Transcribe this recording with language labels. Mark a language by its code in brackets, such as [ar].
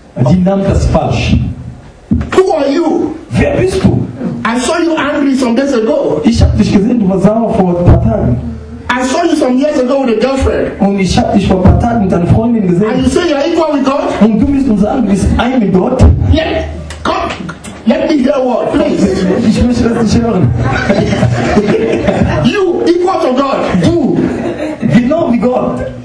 [de] Die nahm das falsch. [en] Who are you? [de] Wer bist du? [en] I saw you angry some days ago. [de] Ich habe dich gesehen, du warst sauer vor ein paar Tagen. [en] I saw you some years ago with a girlfriend. [de] Und ich habe dich vor ein paar Tagen mit deiner Freundin gesehen. [en] And you say you're equal with God? [de] Und du willst uns sagen, du bist ein mit Gott? [en] Yeah. Let me hear what, please. [de] Ich möchte das nicht hören. [en] You, equal to God. [de] Du, genau wie Gott.